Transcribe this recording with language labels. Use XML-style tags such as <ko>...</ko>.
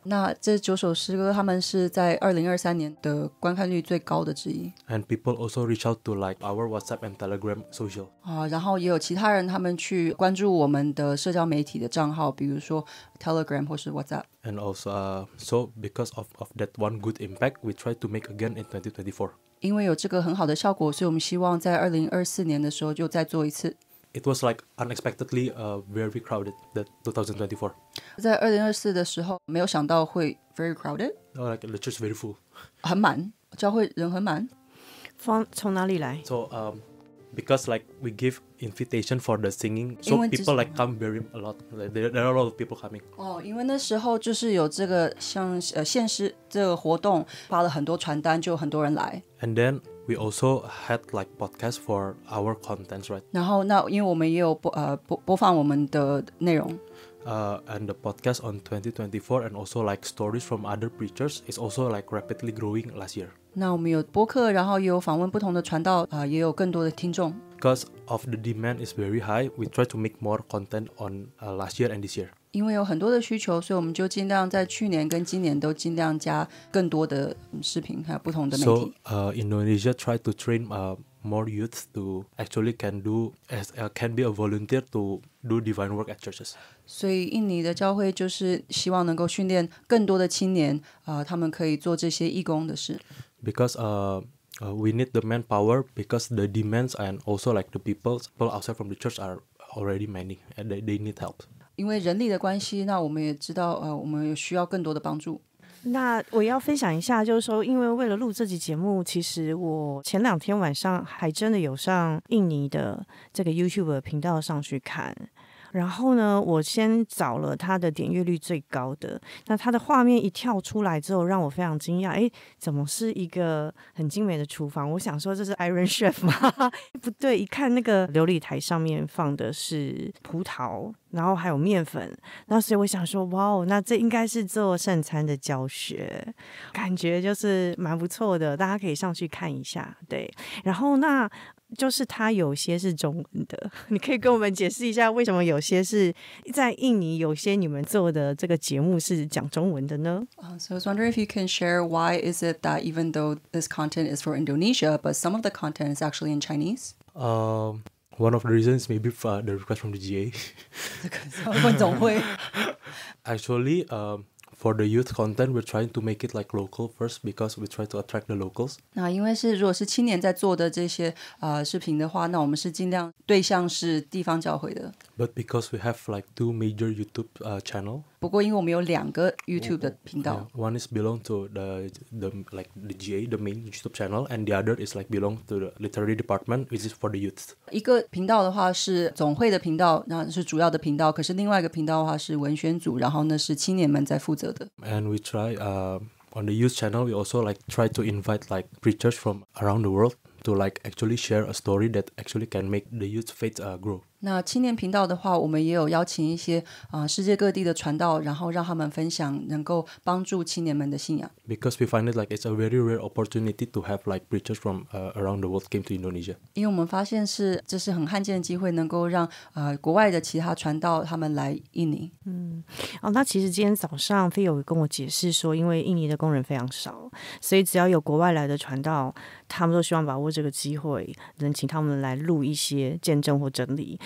<zh>那这九首诗歌，他们是在2023年的观看率最高的之一。</zh> <en>And people also reach out to like our WhatsApp and Telegram social.</en> <zh>然后也有其他人他们去关注我们的社交媒体的账号，比如说 Telegram 或是 WhatsApp.</zh> <en>And also, so because of that one good impact, we try to make again in 2024.</en> <zh>因为有这个很好的效果，所以我们希望在2024年的时候就再做一次。</zh> <en>It was like unexpectedly very crowded that 2024.</en> <zh>在2024的时候，没有想到会</zh> <en>very crowded. No, like the church very full.</en> <zh>很满，教会人很满。从哪里来</zh> <en>？So because like we give invitation for the singing, so people like come very a lot. Like, there are a lot of people coming.</en> <zh>因为那时候就是有这个像献诗这个活动，发了很多传单，就很多人来。</zh> <en>And then we also had like podcast for our contents, right?</en> <zh>然后那因为我们也有播放我们的内容。</zh> <en>And the podcast on 2024 and also like stories from other preachers is also like rapidly growing last year.</en> <zh>那我们有播客，然后也有访问不同的传道，也有更多的听众。</zh> <en>Because of the demand is very high, we try to make more content on last year and this year.</en> <zh>因为有很多的需求，所以我们就尽量在去年跟今年都尽量加更多的视频，还有不同的媒体。</zh> <en>So Indonesia try to train more youth to actually can be a volunteer to do divine work at churches.</en> <zh>所以印尼的教会就是希望能够训练更多的青年，他们可以做这些义工的事。</zh> <en>Because we need the manpower because the demands and also like the people outside from the church are already many and they need help.</en> <zh>因为人力的关系，那我们也知道，我们需要更多的帮助。那我要分享一下，就是说，因为为了录这集节目，其实我前两天晚上还真的有上印尼的这个 YouTube 频道上去看。然后呢，我先找了他的点阅率最高的，那他的画面一跳出来之后，让我非常惊讶，怎么是一个很精美的厨房？我想说这是 Iron Chef 吗？不对，一看那个琉璃台上面放的是葡萄，然后还有面粉，那所以我想说，哇哦，那这应该是做圣餐的教学，感觉就是蛮不错的，大家可以上去看一下。对，然后那就是它有些是中文的，你可以跟我们解释一下为什么有些是在印尼，有些你们做的这个节目是讲中文的呢？</zh> <en>So I was wondering if you can share why is it that even though this content is for Indonesia, but some of the content is actually in Chinese? One of the reasons maybe for the request from the GA.</en> <zh>问总会。</zh> <en>Actually, for the youth content, we're trying to make it like local first because we try to attract the locals.</en> <zh>那因为是如果是青年在做的这些视频的话，那我们是尽量对象是地方教会的。</zh> <en>But because we have like two major YouTube channel.</en> <zh>不过因为我们有两个 YouTube 的频道。</zh> <en>Yeah, one is belong to the like the GA, the main YouTube channel, and the other is like belong to the literary department, which is for the youth.</en> <zh>一个频道的话是总会的频道，那是主要的频道。可是另外一个频道的话是文宣组，然后那是青年们在负责的。</zh> <en>And we try on the youth channel, we also like try to invite like preachers from around the world. To like actually share a story that actually can make the youth faith grow.</en> <zh>那青年频道的话，我们也有邀请一些世界各地的传道，然后让他们分享能够帮助青年们的信仰。</zh> <en>Because we find it like it's a very rare opportunity to have like preachers from around the world came to Indonesia.</en> <zh>因为我们发现是这是很罕见的机会，能够让国外的其他传道他们来印尼。那其实今天早上Theo跟我解释说，因为印尼的工人非常少，所以只要有国外来的传道，他们都希望把握这个机会，能请他们来录一些见证或整理。</zh>